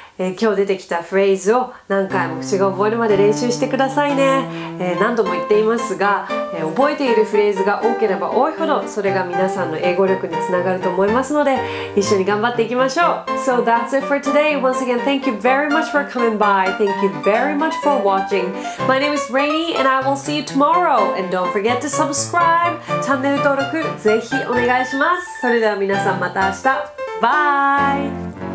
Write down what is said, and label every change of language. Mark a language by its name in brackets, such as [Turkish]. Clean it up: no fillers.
[Japanese] 今日出てきたフレーズを何回も口が覚えるまで練習してくださいね。何度も言っていますが、覚えているフレーズが多ければ多いほどそれが皆さんの英語力につながると思いますので、一緒に頑張っていきましょう。 [English] So that's it for today. Once again, thank you very much for coming by. Thank you very much for watching. My name is REINY and I will see you tomorrow. And don't forget to subscribe. [Japanese] チャンネル登録ぜひお願いします。それでは皆さん、また明日。 [English] Bye!